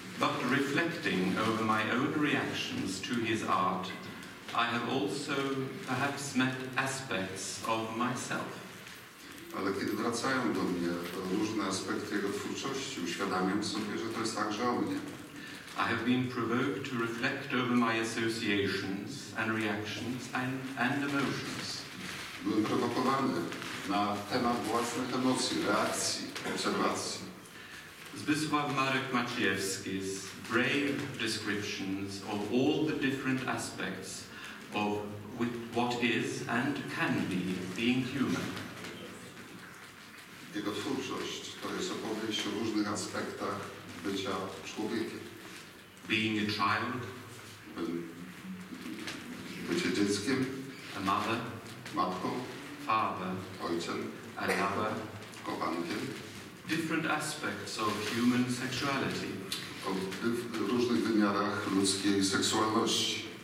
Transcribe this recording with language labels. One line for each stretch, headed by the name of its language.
English: But reflecting over my own reactions to his art, I have also perhaps met aspects of myself.
Polish: Ale kiedy wracają do mnie różne aspekty jego twórczości, uświadamiam sobie, że to jest także o mnie.
English: I have been provoked to reflect over my associations and reactions and emotions.
Polish: Byłem prowokowany na temat własnych emocji, reakcji, obserwacji.
English: Zbyszław Marek Maciejewski's brave descriptions of all the different aspects of what is and can be being human.
Polish: Jego twórczość to jest opowieść o różnych aspektach bycia człowiekiem.
English: Being a child,
Polish: bycie dzieckiem,
English: a mother,
Polish: matką,
English: father,
Polish: ojcem,
English: a lover,
Polish: kochankiem.
English: Different aspects of human sexuality.
Polish: W różnych wymiarach ludzkiej seksualności.